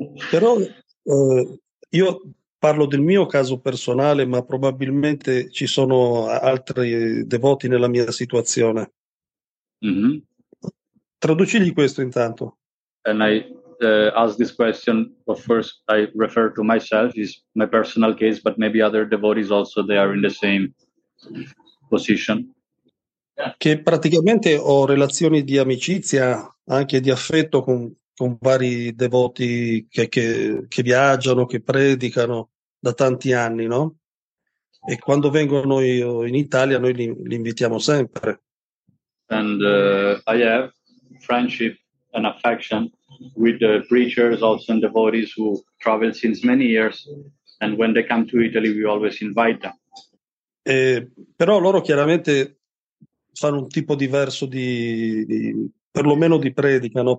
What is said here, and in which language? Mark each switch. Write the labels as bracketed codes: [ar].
[it] Però, io parlo del mio caso personale, ma probabilmente ci sono altri devoti nella mia situazione. Mm-hmm. Traducigli questo intanto. [en] And I ask this question, of course, I refer to myself, it's my personal case, but maybe other devotees also, they are in the same position. [it] Che praticamente ho relazioni di amicizia, anche di affetto con vari devoti che viaggiano, che predicano da tanti anni, no? E quando vengono in Italia, noi li invitiamo sempre. [en] And I have friendship and affection with the preachers also and devotees who travel since many years, and when they come to Italy we always invite them. [it] Però loro chiaramente fanno un tipo diverso di perlomeno di predica, no?